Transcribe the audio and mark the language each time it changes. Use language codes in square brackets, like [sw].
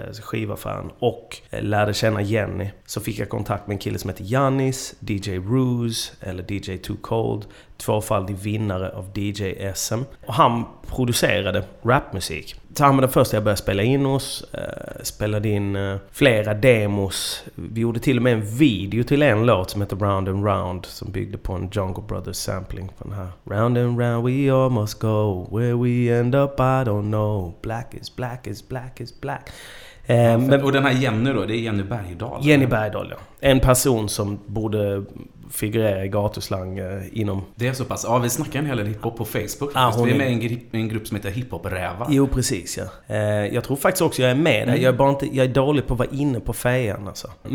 [sv] skivaffären och lärde känna Jenny, så fick jag kontakt med en kille som heter Yannis, DJ Ruse eller DJ Too Cold, tvåfaldig vinnare av DJ SM, och han producerade rapmusik. Så han var den första jag började spela in hos, spelade in flera demos. Vi gjorde till och med en video till en låt som heter Round and Round, som byggde på en Jungle Brothers sampling från den här. [en] Round and round we all must go, where we end up I don't know, black is black is black is black. [sv] Men, och den här Jenny då, det är Jenny Bergdahl. Jenny Bergdahl, ja. En person som borde figurera i gatuslang inom... Det är så pass. Ja, vi snackar en hel del hiphop på Facebook. Ah, vi är med i en grupp som heter Hiphop-rävar. Jo, precis, ja. Jag tror faktiskt också jag är med där. Mm. Jag är dålig på att vara inne på fejan, alltså.